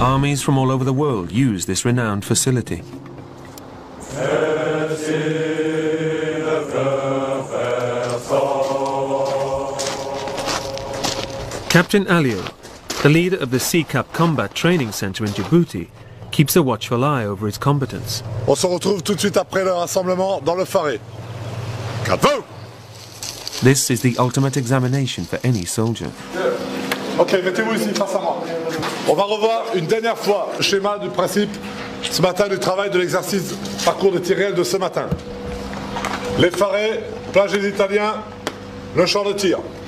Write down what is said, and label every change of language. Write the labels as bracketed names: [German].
[English] Armies from all over the world use this renowned facility. Captain Alio, the leader of the CCAP combat training center in Djibouti, keeps a watchful eye over its combatants. [French] On se retrouve tout de suite après le rassemblement dans le phare. Cap-feu! [English] This is the ultimate examination for any soldier. [French] Ok, mettez-vous ici, face à moi. On va revoir une dernière fois le schéma du principe ce matin du travail de l'exercice parcours de tir réel de ce matin. Les Farés, plage des Italiens, le champ de tir.